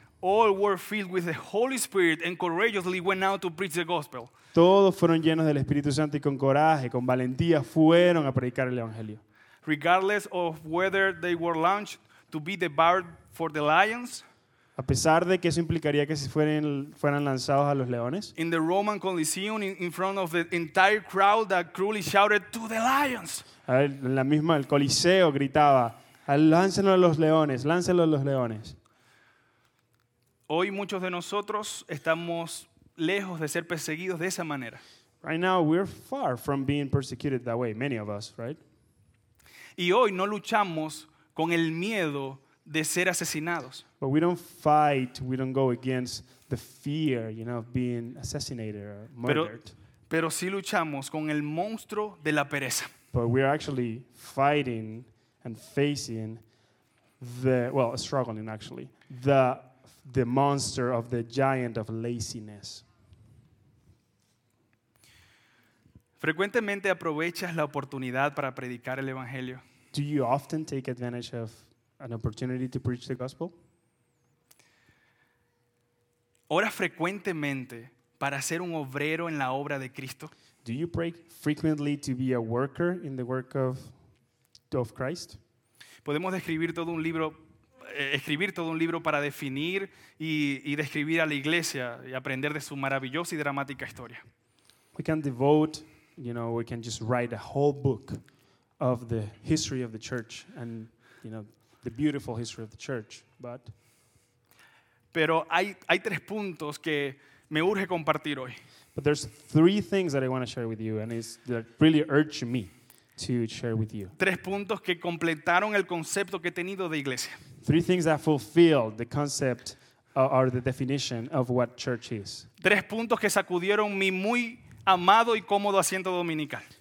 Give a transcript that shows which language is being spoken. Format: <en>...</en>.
<en>All were filled with the Holy Spirit and courageously went out to preach the gospel.</en> <es>Todos fueron llenos del Espíritu Santo y con coraje, con valentía, fueron a predicar el evangelio.</es> <en>Regardless of whether they were launched to be the bird for the lions.</en> <es>A pesar de que eso implicaría que se fueran lanzados a los leones.</es> <en>In the Roman Coliseum, in front of the entire crowd that cruelly shouted to the lions.</en> <es>En la misma el Coliseo gritaba, láncenlo a los leones, láncenlo a los leones. Hoy muchos de nosotros estamos lejos de ser perseguidos de esa manera.</es> <en>Right now we're far from being persecuted that way, many of us, right?</en> <es>Y hoy no luchamos con el miedo de ser asesinados.</es> <en>But we don't fight, we don't go against the fear, you know, of being assassinated or murdered.</en> <es>Pero sí luchamos con el monstruo de la pereza.</es> <en>But we are actually fighting and facing the, well, struggling actually, the monster of the giant of laziness.</en> <es>Frecuentemente aprovechas la oportunidad para predicar el evangelio.</es> <en>Do you often take advantage of an opportunity to preach the gospel?</en> <es>Oras frecuentemente para ser un obrero en la obra de Cristo.</es> <en>Do you pray frequently to be a worker in the work of Christ?</en> <es>Podemos escribir todo un libro, para definir y describir a la iglesia y aprender de su maravillosa y dramática historia.</es> <en>We can devote, you know, we can just write a whole book of the history of the church and, you know, the beautiful history of the church, but.</en> <es>Pero hay tres puntos que me urge compartir hoy.</es> <en>But there's three things that I want to share with you, and it's that really urge me to share with you.</en> <es>Tres puntos que completaron el concepto que he tenido de iglesia.</es> <en>Three things that fulfill the concept or the definition of what church is.</en> <es>Tres puntos que sacudieron mi muy amado y cómodo asiento dominical.</es>